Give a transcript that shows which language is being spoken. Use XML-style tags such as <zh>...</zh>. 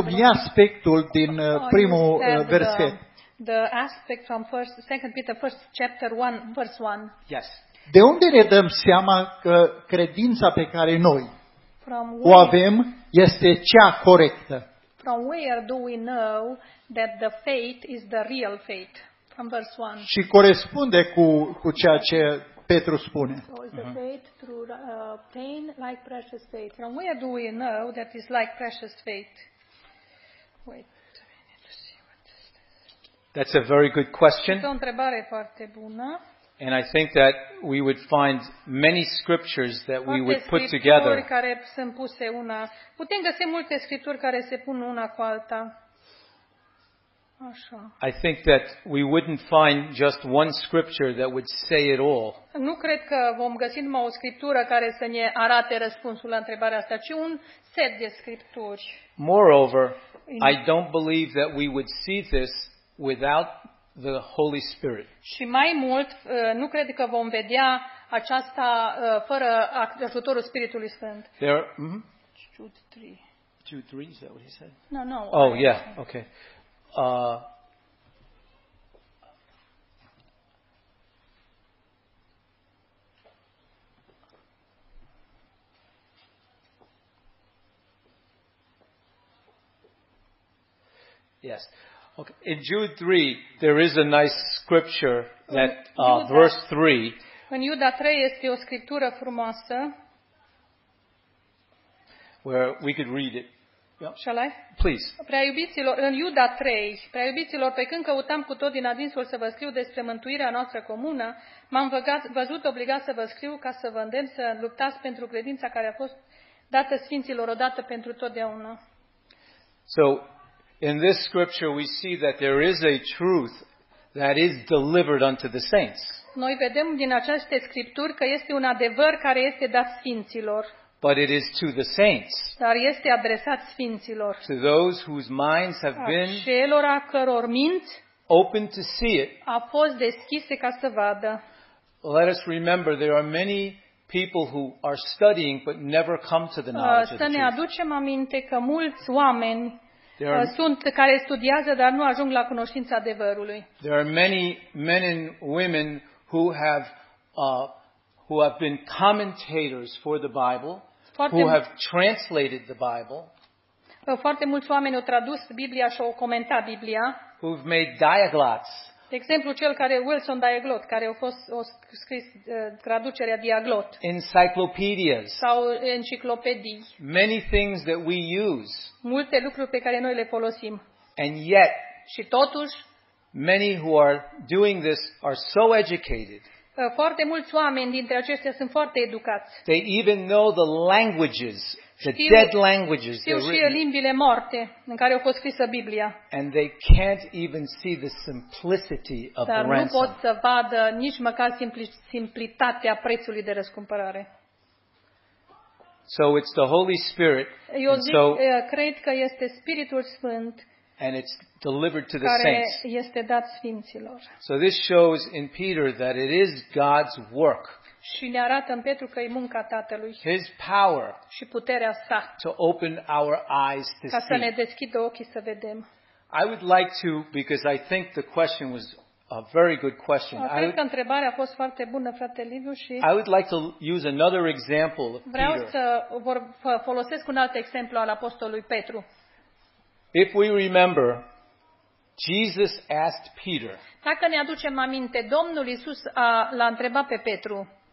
<ro>sublinia aspectul din primul verset.</ro> <en>The aspect from first, second Peter, first chapter 1, verse 1. Yes.</en> <ro>De unde ne dăm seama că credința pe care noi o avem este cea corectă?</ro> <en>From where do we know that the faith is the real faith? From verse 1.</en> <ro>Și corespunde cu ceea ce Petru spune.</ro> <en>So is the faith through pain like precious faith. From where do we know that it's like precious faith? Wait. That's a very good question.</en> <ro>Este o întrebare foarte bună.</ro> <en>And I think that we would find many scriptures that we would put together.</en> <ro>Care sunt puse una. Putem găsi multe scripturi care se pun una cu alta. Așa.</ro> <en>I think that we wouldn't find just one scripture that would say it all.</en> <ro>Nu cred că vom găsi numai o scriptură care să ne arate răspunsul la întrebarea asta, ci un set de scripturi.</ro> <en>Moreover, I don't believe that we would see this without the Holy Spirit.</en> <ro>Și mai mult, nu cred că vom vedea aceasta fără ajutorul Spiritului Sfânt.</ro> <en>There, Jude 3. Jude 3, is that what he said? No. Oh, okay. Yeah, okay. Yes. Okay. In Jude 3, there is a nice scripture that verse 3.</en> <ro>În Iuda 3 este o scriptură frumoasă.</ro> <en>Where we could read it. Yep. Shall I? Please.</en> <ro>Prea iubiților, în Iuda 3, prea iubiților, pe când căutam cu tot din adinsul să vă scriu despre mântuirea noastră comună, m-am văzut obligat să vă scriu ca să vă îndemn să luptați pentru credința care a fost dată sfinților odată pentru totdeauna.</ro> <en>So, in this scripture we see that there is a truth that is delivered unto the saints.</en> <ro>Noi vedem din aceste scripturi că este un adevăr care este dat sfinților.</ro> <en>But it is to the saints.</en> <ro>Dar este adresat sfinților.</ro> <en>To those whose minds have been</en> <ro>acelora căror minți</ro> <en>open to see it.</en> <ro>A fost deschise ca să vadă.</ro> <en>Let us remember there are many people who are studying but never come to the knowledge of the truth.</en> <ro>Să ne aducem aminte că mulți oameni sunt care studiază dar nu ajung la cunoștința adevărului.</ro> <en>There are many men and women who have been commentators for the Bible, who have translated the Bible.</en> <ro>Foarte mulți oameni au tradus Biblia și au comentat Biblia.</ro> <en>Who've made diaglots.</en> <ro>De exemplu, cel care Wilson Diaglot, care a scris traducerea Diaglot.</ro> <en>Encyclopedias.</en> <ro>Sau enciclopedii.</ro> <en>Many things that we use.</en> <ro>Multe lucruri pe care noi le folosim.</ro> <en>And yet,</en> <ro>și totuși,</ro> <en>many who are doing this are so educated.</en> <ro>Foarte mulți oameni dintre aceștia sunt foarte educați.</ro> <en>They even know the languages, the dead languages.</en> <ro>Știu și limbile morte în care au fost scrisă Biblia.</ro> <en>And they can't even see the simplicity of the ransom.</en> <ro>Dar nu pot să vadă nici măcar simplitatea prețului de răscumpărare.</ro> <en>So it's the Holy Spirit.</en> <ro>Eu zic, cred că este Spiritul Sfânt.</ro> <en>And it's delivered to the</en> <ro>care</ro> <en>saints.</en> <ro>Este dat sfinților.</ro> <en>So this shows in Peter that it is God's work.</en> <ro>Și ne arată în Petru că e munca Tatălui.</ro> <en>His power.</en> <ro>Și puterea sa.</ro> <en>To open our eyes to see.</en> <ro>Ca să ne deschidă ochii să vedem.</ro> <en>I would like to, because I think the question was a very good question.</en> <ro>Cred că întrebarea a fost foarte bună, frate Liviu, și</ro> <en>I would like to use another example of</en> <ro>vreau</ro> <en>Peter.</en> <ro>Vreau să folosesc un alt exemplu al apostolului Petru.</ro> <en>If we remember, Jesus asked Peter.</en> <ro>Dacă ne aducem aminte, Domnul Iisus l-a întrebat pe Petru.</ro>